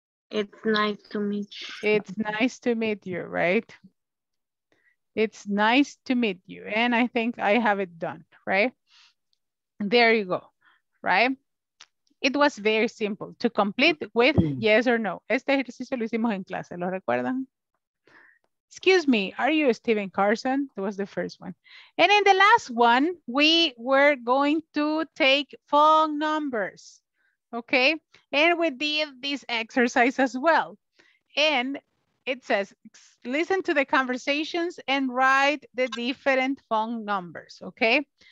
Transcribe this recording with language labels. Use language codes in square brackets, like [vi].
[en] It's nice to meet you. It's nice to meet you, right? It's nice to meet you. And I think I have it done, right? There you go, right? It was very simple to complete with yes or no. [es] Este ejercicio lo hicimos en clase, ¿lo recuerdan? [en] Excuse me, are you Steven Carson? That was the first one. And in the last one, we were going to take phone numbers, okay? And we did this exercise as well. And it says, listen to the conversations and write the different phone numbers, okay?